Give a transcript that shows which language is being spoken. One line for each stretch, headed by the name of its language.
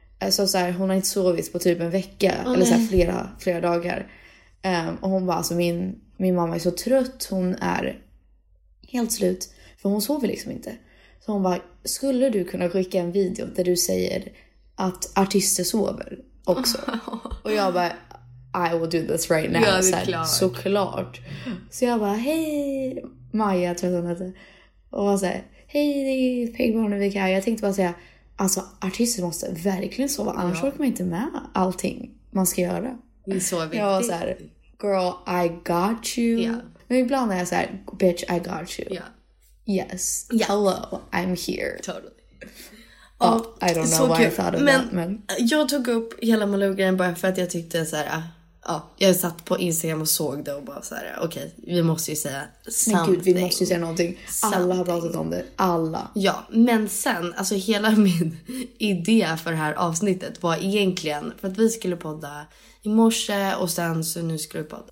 Swedish: Så här, hon har inte sovit på typ en vecka. Oh, eller så här, flera dagar. Och hon bara, alltså, min mamma är så trött. Hon är helt slut. För hon sover liksom inte. Så hon bara, skulle du kunna skicka en video där du säger att artister sover också? Oh. Och jag bara,
English: I will do this right now.
Swedish: Ja, såhär, såklart. Så jag bara, hej Maja, tror jag hon heter. Och bara såhär, hej, det är Pegborn och Vika. Jag tänkte bara säga, alltså artister måste verkligen sova. Annars orkar man inte med allting man ska göra. Det är så viktigt. Jag var såhär,
English: girl, I got you. Yeah.
Swedish: Men ibland är jag såhär,
English: bitch, I got you. Yeah. Yes. Yeah. Hello, I'm here. Totally. Oh, I don't know why I thought of that, men
Swedish: jag tog upp hela Malou-grejen bara för att jag tyckte så här, jag satt på Instagram och såg det och bara så här, okej, vi måste ju säga
English: something.
Swedish: Men gud, vi måste ju säga någonting. Alla har pratat om det, alla. Ja, men sen, alltså hela min idé för det här avsnittet var egentligen för att vi skulle podda i morse och sen så nu skulle vi podda.